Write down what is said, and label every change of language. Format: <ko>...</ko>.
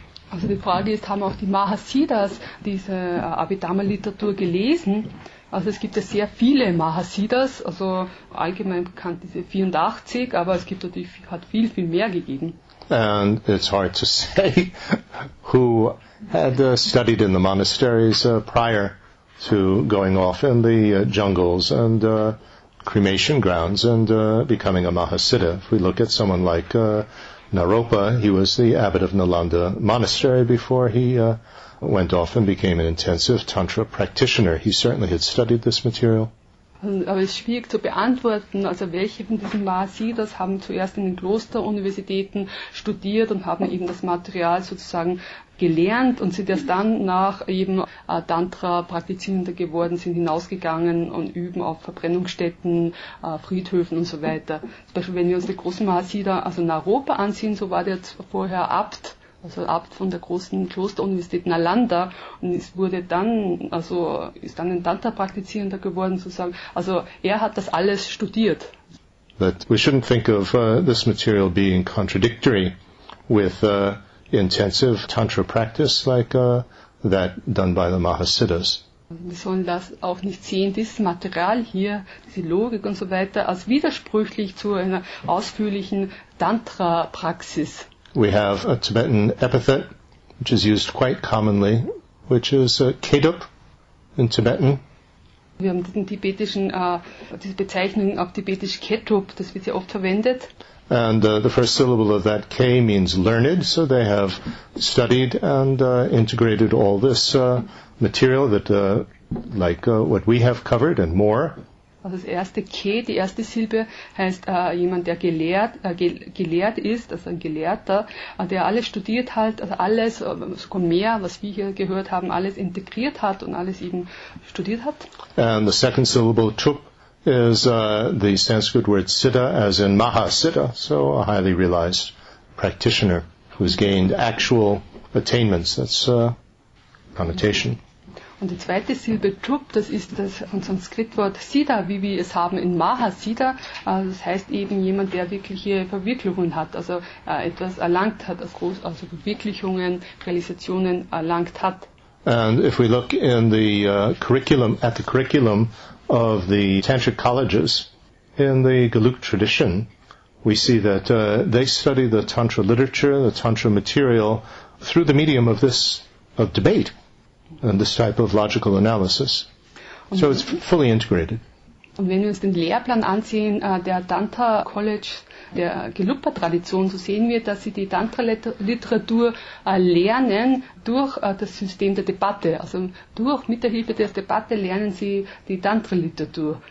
<de>Also die Frage ist, haben auch die Mahasiddhas diese Abhidhamma-Literatur gelesen? Also es gibt ja sehr viele Mahasiddhas, also allgemein bekannt diese 84, aber es gibt natürlich hat viel, viel mehr gegeben.</de> <en>And it's hard to say who had studied in the monasteries prior to going off in the jungles and cremation grounds and becoming a Mahasiddha. If we look at someone like Naropa, he was the abbot of Nalanda Monastery before he went off and became an intensive Tantra practitioner. He certainly had studied this material.</en> <de>Aber es ist schwierig zu beantworten, also welche von diesen Mahasiddhas haben zuerst in den Klosteruniversitäten studiert und haben eben das Material sozusagen gelernt und sind erst dann nach eben Tantra praktizierender geworden, sind hinausgegangen und üben auf Verbrennungsstätten, Friedhöfen und so weiter. Zum Beispiel, wenn wir uns den großen Mahasiddha, also Naropa ansehen, so war der vorher Abt, also Abt von der großen Klosteruniversität Nalanda, und es wurde dann, also ist dann ein Tantra-Praktizierender geworden sozusagen. Also er hat das alles studiert.</de> <en>But we shouldn't think of this material being contradictory with intensive Tantra practice like that done by the Mahasiddhas.</en> <de>Wir sollen das auch nicht sehen, dieses Material hier, diese Logik und so weiter, als widersprüchlich zu einer ausführlichen Tantra-Praxis.</de> <en>we have a Tibetan epithet, which is used quite commonly, which is Kedup in Tibetan.</en> <de>Wir haben diesen tibetischen, diese Bezeichnung auf Tibetisch Kedup, das wird sehr oft verwendet.</de> <en>And the first syllable of that K means learned, so they have studied and integrated all this material that, like what we have covered and more.</en> <de>Also das erste K, die erste Silbe, heißt jemand, der gelehrt ist, also ein Gelehrter, der alles studiert hat, also alles, sogar mehr, was wir hier gehört haben, alles integriert hat und alles eben studiert hat.</de> <en>And the second syllable, Tup, is the Sanskrit word siddha, as in maha siddha, so a highly realized practitioner who has gained actual attainments. That's a connotation.</en> <de>Und die zweite Silbe Tup, das ist das Sanskritwort siddha, wie wir es haben in maha siddha. Das heißt eben jemand, der wirkliche Verwirklichungen hat, also etwas erlangt hat, also Verwirklichungen, Realisationen erlangt hat.</de> <en>And if we look in the curriculum, at the curriculum of the tantric colleges in the Galuk tradition, we see that they study the tantra literature, the tantra material, through the medium of this, of debate, and this type of logical analysis. So it's fully integrated.</en> <de>Und wenn wir uns den Lehrplan ansehen, der Tantra-College, der Gelugpa-Tradition, so sehen wir, dass sie die Tantra-Literatur lernen durch das System der Debatte. Also durch, mit der Hilfe der Debatte lernen sie die Tantra-Literatur.</de>